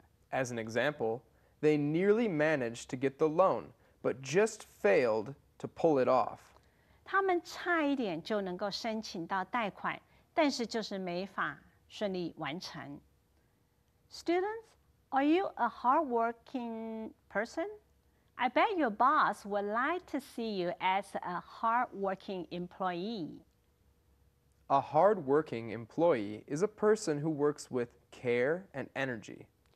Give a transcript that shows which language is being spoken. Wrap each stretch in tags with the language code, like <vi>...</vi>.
<en>As an example, they nearly managed to get the loan, but just failed to pull it off.</en> <zh>他们差一点就能够申请到贷款，但是就是没法顺利完成。</zh> <en>Students, are you a hardworking person? I bet your boss would like to see you as a hardworking employee. A hardworking employee is a person who works with care and energy.</en>